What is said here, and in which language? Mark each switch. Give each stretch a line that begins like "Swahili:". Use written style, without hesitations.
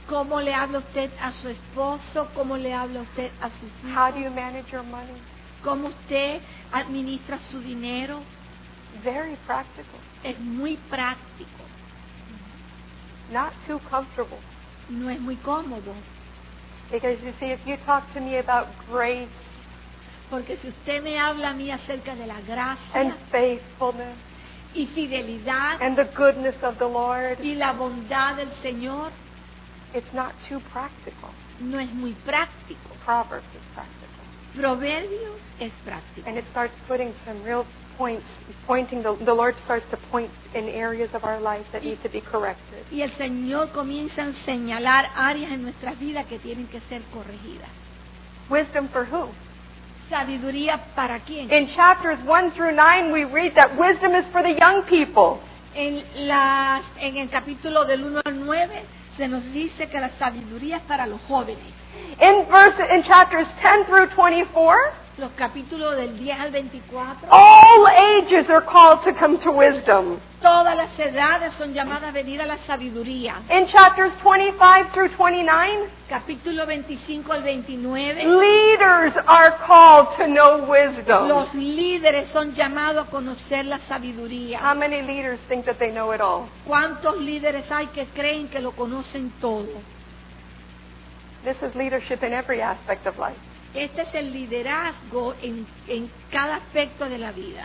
Spanish: ¿Cómo le habla usted a su esposo? ¿Cómo le habla usted a sus hijos?
English: How do you manage your money?
Spanish: ¿Cómo usted administra su dinero?
English: Very practical.
Spanish: Es muy práctico.
English: Not too comfortable.
Spanish: No es muy cómodo.
English: Because you see, if you talk to me about grace,
Spanish: porque si usted me habla a mí acerca de la gracia,
English: and faithfulness,
Spanish: y fidelidad,
English: and the goodness of the Lord,
Spanish: y la bondad del Señor,
English: it's not too practical.
Spanish: No es muy práctico.
English: Proverbs is practical.
Spanish: Proverbios es práctico.
English: And it starts putting some real points, pointing, the Lord starts to point in areas of our life that need to be corrected.
Spanish: Y el Señor comienza a señalar áreas en nuestra vida que tienen que ser corregidas.
English: Wisdom for who?
Spanish: ¿Sabiduría para quién?
English: In chapters 1 through 9 we read that wisdom is for the young people.
Spanish: En el capítulo del 1 al 9 se nos dice que la sabiduría es para los jóvenes.
English: In chapters 10 through 24,
Spanish: los capítulos del 10 al 24,
English: all ages are called to come to wisdom.
Spanish: Todas las edades son llamadas a venir a la sabiduría.
English: In chapters 25 through 29,
Spanish: capítulo 25 al 29,
English: leaders are called to know wisdom.
Spanish: Los líderes son llamados a conocer la sabiduría.
English: How many leaders think that they know it all?
Spanish: ¿Cuántos líderes hay que creen que lo conocen todo?
English: This is leadership in every aspect of life.
Spanish: Este es el liderazgo en cada aspecto de la vida.